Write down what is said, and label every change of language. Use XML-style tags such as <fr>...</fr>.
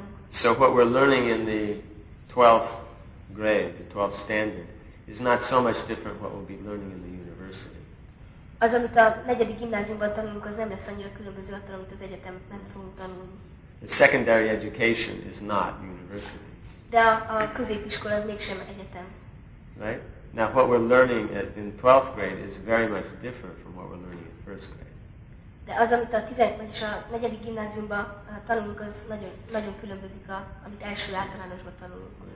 <en>So what we're learning in the 12th grade, the 12th standard, is not so much different what we'll be learning in the university.</en> <hu>Az, amit a negyedik gimnáziumban tanulunk, az nem lesz annyira különböző attól, amit az egyetemben fogunk tanulni.</hu> <en>The secondary education is not university.</en> <hu>De a középiskola mégsem egyetem.</hu> <en>Right? Now what we're learning in 12th grade is very much different from what we're learning in first grade.</en> <hu>De az, amit a 10. vagyis a 4. gimnáziumban tanulunk, az nagyon, nagyon különbözik, amit első általánosban tanulunk.</hu>